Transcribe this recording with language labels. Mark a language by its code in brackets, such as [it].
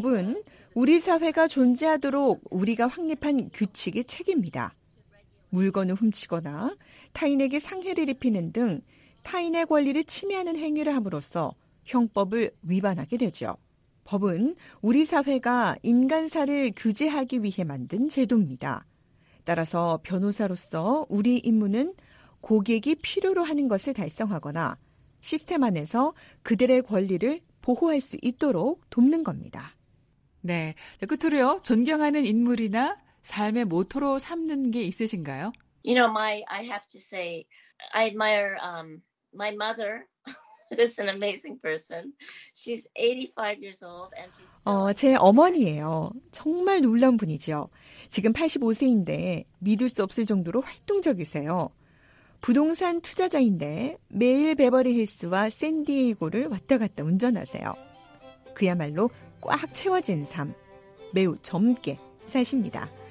[ko] 법은 우리 사회가 존재하도록 우리가 확립한 규칙의 책입니다. 물건을 훔치거나 타인에게 상해를 입히는 등 타인의 권리를 침해하는 행위를 함으로써 형법을 위반하게 되죠. 법은 우리 사회가 인간사를 규제하기 위해 만든 제도입니다. 따라서 변호사로서 우리 임무는 고객이 필요로 하는 것을 달성하거나 시스템 안에서 그들의 권리를 보호할 수 있도록 돕는 겁니다. 네, 끝으로요. 존경하는 인물이나 삶의 모토로 삼는 게 있으신가요? [en] You know, I have to say, I admire my mother. This is an amazing person. She's 85 years old and she's still... [ko] 제 어머니예요. 정말 놀라운 분이죠. 지금 85세인데 믿을 수 없을 정도로 활동적이세요. 부동산 투자자인데 매일 베버리힐스와 샌디에이고를 왔다 갔다 운전하세요. 그야말로 꽉 채워진 삶. 매우 젊게 사십니다.